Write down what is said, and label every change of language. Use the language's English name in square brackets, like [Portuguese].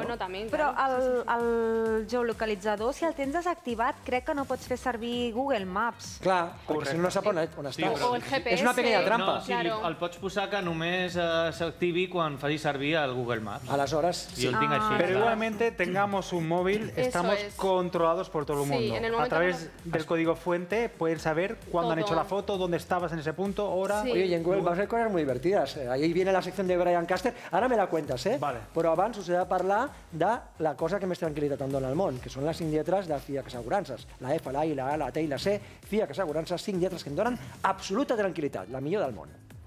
[Spanish] Sí, bueno, también, claro. [Catalan] Però el geolocalitzador, si el tens desactivat, crec que no pots fer servir Google Maps. Clar, perquè si no sap on estàs. O el GPS. És una pequeña trampa. No, el pots posar que només s'activi quan faci servir el Google Maps. Aleshores, sí. [Spanish] Però igualmente, tengamos un móvil, estamos controlados por todo el mundo. A través del código fuente, pueden saber cuándo han hecho la foto, dónde estabas en ese punto, hora... Oye, y en Google vas a hacer cosas muy divertidas. Ahí viene la sección de Brian Caster. Ara me la cuentas, eh? Vale. [Catalan] Però abans us he de parlar de la cosa que més tranquil·lita tant dona al món, que són les 5 lletres de FIAC Assegurances. La F, la I, la A, la T i la C. FIAC Assegurances, 5 lletres que em donen absoluta tranquil·litat, la millor del món.